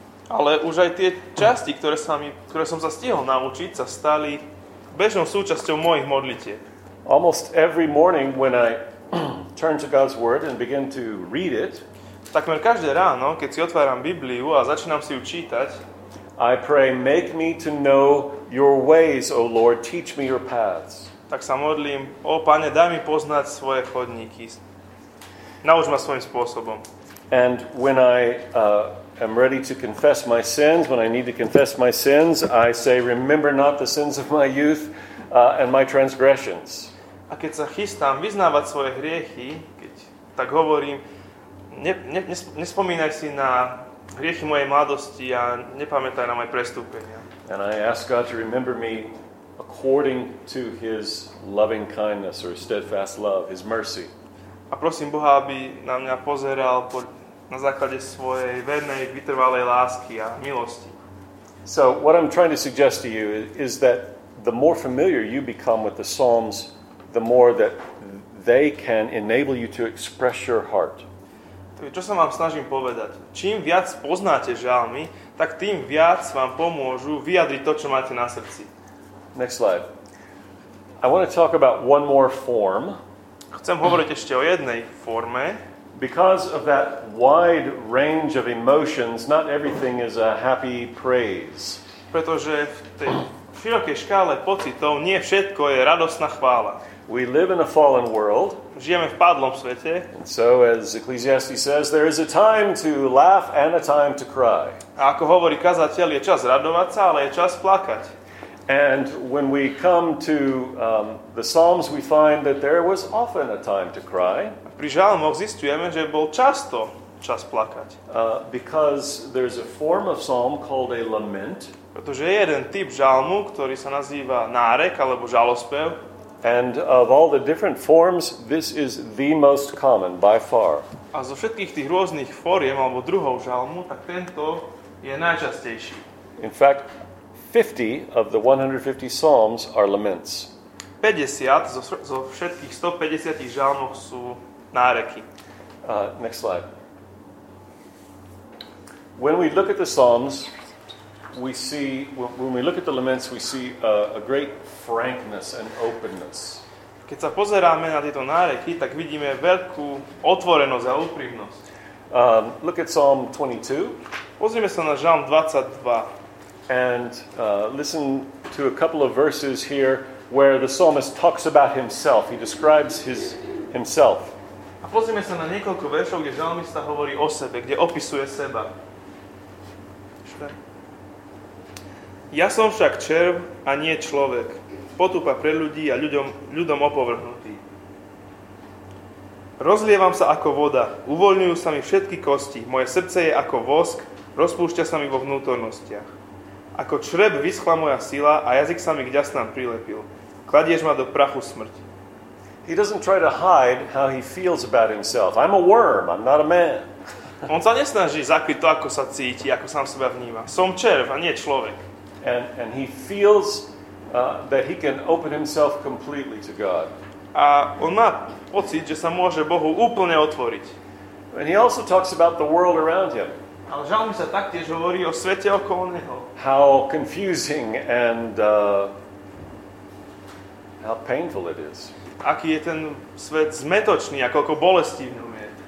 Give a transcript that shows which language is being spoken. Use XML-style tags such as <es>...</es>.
<sk>Ale už aj tie časti, ktoré som sa stihol naučiť, sa stali bežnou súčasťou mojich modlitieb.</sk> <en>Almost every morning when I turn to God's word and begin to read it,</en> <sk>takmer každé ráno, keď si otváram Bibliu a začínam si ju čítať,</sk> <en>I pray, make me to know your ways, O Lord, teach me your paths.</en> <sk>Tak sa modlím, O Pane, daj mi poznať svoje chodníky. Nauč ma svojim spôsobom.</sk> <en>And when I am ready to confess my sins, when I need to confess my sins, I say, remember not the sins of my youth and my transgressions.</en> <sk>A keď sa chystám vyznávať svoje hriechy, keď tak hovorím, nespomínaj si na hriechy mojej mladosti a nepamätaj na moje prestúpenia.</sk> <en>And I ask God to remember me according to his loving kindness or steadfast love, his mercy.</en> <sk>A prosím Boha, aby na mňa pozeral na základe svojej vernej, vytrvalej lásky a milosti.</sk> <en>So what I'm trying to suggest to you is that the more familiar you become with the Psalms, the more that they can enable you to express your heart.</en> <sk>Čo sa vám snažím povedať? Čím viac poznáte žalmy, tak tým viac vám pomôžu vyjadriť to, čo máte na srdci.</sk> <en>Next slide. I want to talk about one more form.</en> <sk>Chcem hovoriť ešte o jednej forme.</sk> <en>Because of that wide range of emotions, not everything is a happy praise.</en> <sk>Pretože v tej širokej škále pocitov nie všetko je radosná chvála.</sk> <en>We live in a fallen world.</en> <sk>Žijeme v padlom svete.</sk> <en>And so as Ecclesiastes says, there is a time to laugh and a time to cry.</en> <sk>A ako hovorí kazateľ, je čas radovať sa, ale je čas plakať.</sk> <en>And when we come to the Psalms, we find that there was often a time to cry.</en> <sk>Pri žalmoch zistujeme, že bol často čas plakať.</sk> <en>Because there's a form of psalm called a lament.</en> <sk>Pretože je jeden typ žalmu, ktorý sa nazýva nárek alebo žalospev.</sk> <en>And of all the different forms, this is the most common by far.</en> <sk>A zo všetkých tých rôznych foriem alebo druhov žalmu, tak tento je najčastejší.</sk> <en>In fact, 50 of the 150 psalms are laments.</en> <sk>50 zo všetkých 150 žalmov sú náreky.</sk> <en>Next slide. When we look at the Psalms, we see, when we look at the laments, we see a great frankness and openness.</en> <sk>Keď sa pozeráme na tieto náreky, tak vidíme veľkú otvorenosť a úprimnosť.</sk> <en>Look at Psalm 22.</en> <sk>Pozrime sa na Žalm 22.</sk> <en>And listen to a couple of verses here where the psalmist talks about himself. He describes himself.</en> <sk>A pozrime sa na niekoľko veršov, kde žalmista hovorí o sebe, kde opisuje seba. Ja som však červ a nie človek. Potupa pre ľudí a ľuďom opovrhnutý. Rozlievam sa ako voda, uvoľňujú sa mi všetky kosti, moje srdce je ako vosk, rozpúšťa sa mi vo vnútornostiach. Ako črep vyschla moja sila a jazyk sa mi k ďasnám prilepil. Kladieš ma do prachu smrti.</sk> <en>He doesn't try to hide how he feels about himself. I'm a worm, I'm not a man.</en> <sk>On sa nesnaží zakryť to, ako sa cíti, ako sám seba vníma. Som červ a nie človek.</sk> <en>And he feels that he can open himself completely to God.</en> <sk>A on má pocit, že sa môže Bohu úplne otvoriť.</sk> <en>And he also talks about the world around him.</en> <sk>Ale žalmista taktiež hovorí o svete okolo neho.</sk> <en>How confusing and how painful it is.</en> <sk>Aký je ten svet zmetočný, ako koľko bolestí v ňom je.</sk>